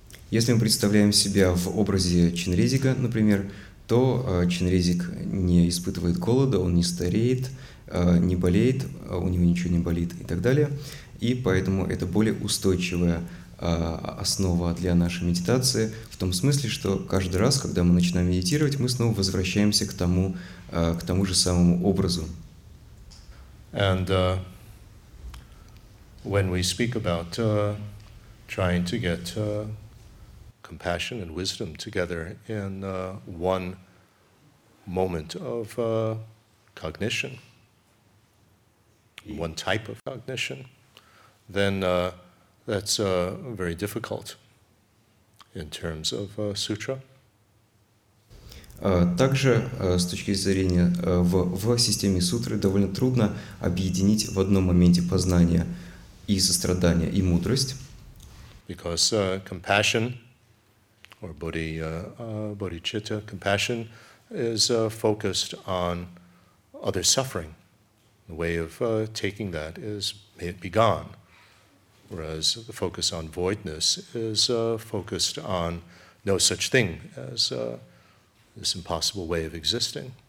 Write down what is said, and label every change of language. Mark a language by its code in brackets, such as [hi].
[ru] Если мы представляем себя в образе чинрезика, например, то чинрезик не испытывает голода, он не стареет, не болеет, у него ничего не болит и так далее. И поэтому это более устойчивая основа для нашей медитации в том смысле, что каждый раз, когда мы начинаем медитировать, мы снова возвращаемся к тому же самому образу. [en] And when we speak about trying to get compassion and wisdom together in one moment of cognition, one type of cognition, then that's very difficult in terms of sutra. [ru] Также, с точки зрения в системе сутры, довольно трудно объединить в одном моменте познание и сострадание, и мудрость. [en] Because compassion, or bodhicitta, compassion is focused on other suffering. The way of taking that is, may it be gone. Whereas the focus on voidness is focused on no such thing as this impossible way of existing.